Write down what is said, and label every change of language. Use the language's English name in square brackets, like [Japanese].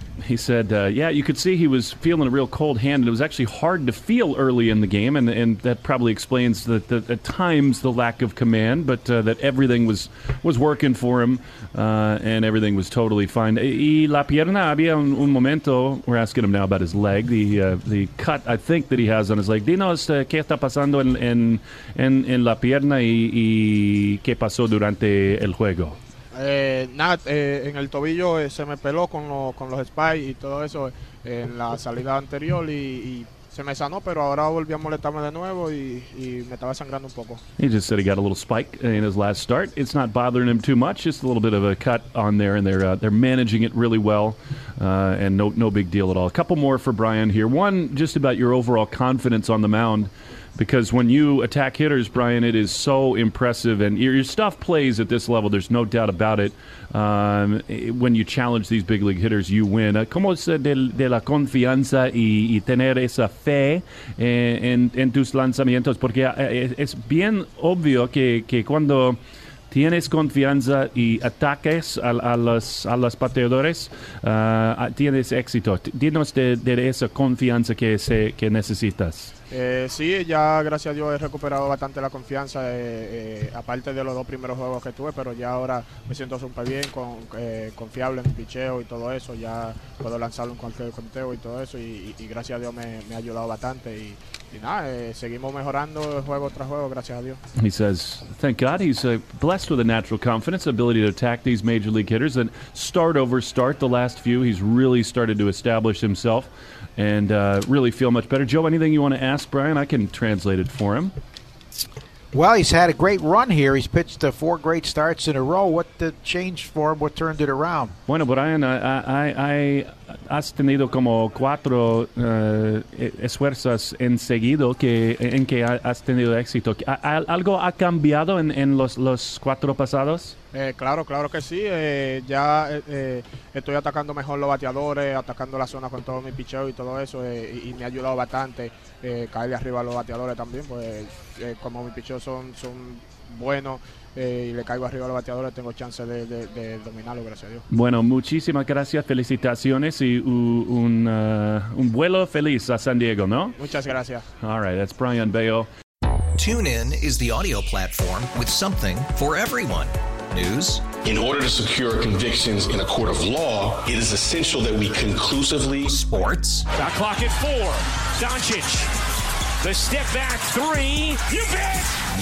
[English] He said, you could see he was feeling a real cold hand, and it was actually hard to feel early in the game, and that probably explains the at times the lack of command, but that everything was working for him, and everything was totally fine. [Spanish] Y la pierna, había un momento, [English] we're asking him now about his leg, the cut, I think, that he has on his leg. [Spanish] Dinos, ¿qué está pasando en la pierna y qué pasó durante el juego? En el tobillo se me peló con los spikes y todo eso en la salida anterior y se me sanó, pero ahora volví a molestarme de nuevo y me estaba sangrando un poco. [English] He just said he got a little spike in his last start. It's not bothering him too much, just a little bit of a cut on there, and they're managing it really well, and no big deal at all. A couple more for Brayan here. One, just about your overall confidence on the mound. Because when you attack hitters, Brayan, it is so impressive. And your stuff plays at this level. There's no doubt about it. When you challenge these big league hitters, you win. [Spanish] ¿Cómo es de la confianza y tener esa fe en tus lanzamientos? Porque es bien obvio que cuando tienes confianza y ataques a los bateadores, tienes éxito. Dinos de esa confianza que necesitas. Sí, ya gracias a Dios he recuperado bastante la confianza, aparte de los dos primeros juegos que tuve, pero ya ahora me siento súper bien, confiable en mi picheo y todo eso, ya puedo lanzarlo en cualquier conteo y todo eso, y gracias a Dios me ha ayudado bastante, y seguimos mejorando juego tras juego, gracias a Dios. [English] He says, thank God, he's blessed with a natural confidence, ability to attack these major league hitters, and start over start the last few, he's really started to establish himself. And really feel much better. Joe, anything you want to ask Brayan? I can translate it for him. Well, he's had a great run here. He's pitched 4 great starts in a row. What changed for him? What turned it around? [Spanish] Bueno, Brayan, I has tenido como 4 esfuerzos enseguido que has tenido éxito. ¿Algo ha cambiado en los 4 pasados? Claro que sí. Estoy atacando mejor los bateadores, atacando la zona con todo mi picheo y todo eso, y me ha ayudado bastante caer de arriba a los bateadores también, pues como mi picheo son buenos. Y le caigo arriba a los bateadores, tengo chance de dominarlo, gracias a Dios. Bueno, muchísimas gracias, felicitaciones y un vuelo feliz a San Diego, ¿no? Muchas gracias. [English] All right, that's Brayan Bello. TuneIn is the audio platform with something for everyone. News. In order to secure convictions in a court of law, it is essential that we conclusively. Sports. Shot clock at 4. Doncic. The step back 3. You bet.